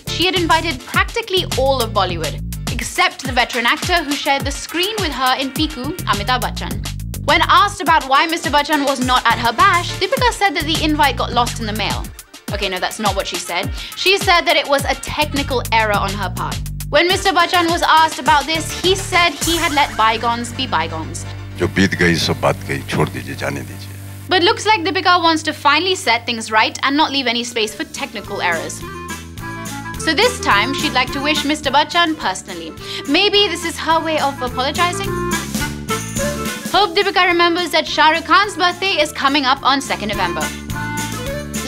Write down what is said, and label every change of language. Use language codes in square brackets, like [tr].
[en] She had invited practically all of Bollywood, except the veteran actor who shared the screen with her in Piku, Amitabh Bachchan. When asked about why Mr. Bachchan was not at her bash, Deepika said that the invite got lost in the mail. Okay, no, that's not what she said. She said that it was a technical error on her part. When Mr. Bachchan was asked about this, he said he had let bygones be bygones. [hi] जो बीत गई सो बात गई छोड़ दीजिए जाने दीजिए [en] But looks like Deepika wants to finally set things right and not leave any space for technical errors. So this time she'd like to wish Mr. Bachchan personally. Maybe this is her way of apologizing. Hope Deepika remembers that Shah Rukh Khan's birthday is coming up on 2nd November.